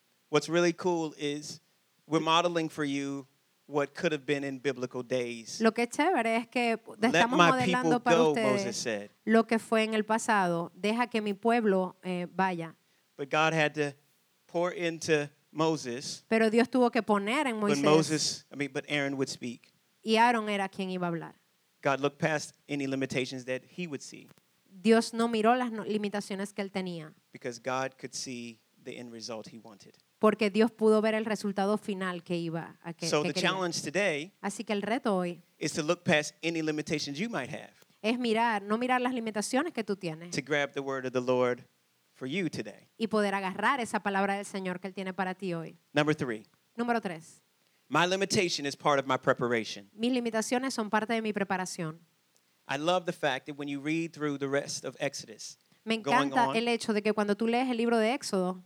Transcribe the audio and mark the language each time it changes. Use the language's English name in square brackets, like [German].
[English] What's really cool is we're modeling for you what could have been in biblical days. [Spanish] Lo que es chévere es que estamos modelando para ustedes lo que fue en el pasado. Deja que mi pueblo vaya. [English] But God had to pour into Moses. [Spanish] Pero Dios tuvo que poner en Moisés. [English] But Aaron would speak. [Spanish] Y Aaron era quien iba a hablar. [English] God looked past any limitations that he would see. [Spanish] Dios no miró las limitaciones que él tenía. [English] Because God could see the end result he wanted. [Spanish] Porque Dios pudo ver el resultado final que iba a que, [English] so [Spanish] que [English] the challenge today, [Spanish] así que el reto hoy [English] is to look past any limitations you might have. [Spanish] Es mirar, no mirar las limitaciones que tú tienes. [English] To grab the word of the Lord for you today. [Spanish] Y poder agarrar esa palabra del Señor que él tiene para ti hoy. [English] Number three. [Spanish] Número tres. [English] My limitation is part of my preparation. [Spanish] Mis limitaciones son parte de mi preparación. [English] I love the fact that when you read through the rest of Exodus, [Spanish] me encanta el hecho de que cuando tú lees el libro de Éxodo,